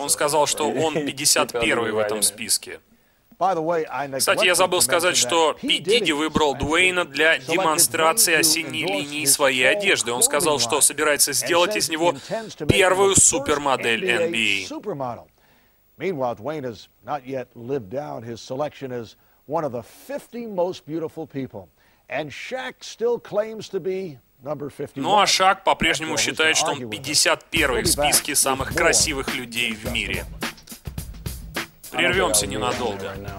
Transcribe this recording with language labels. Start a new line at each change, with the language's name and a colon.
Russian: Он сказал, что он 51-й в этом списке. Кстати, я забыл сказать, что Пидиди выбрал Дуэйна для демонстрации осенней линии своей одежды. Он сказал, что собирается сделать из него первую супермодель NBA.
English: Meanwhile, Dwyane has not yet lived down his selection as one of the 50 most beautiful people, and Shaq still claims to be number 50.
Russian: Ну а Шак по-прежнему считает, что он 51 в списке самых красивых людей в мире. Прервемся ненадолго.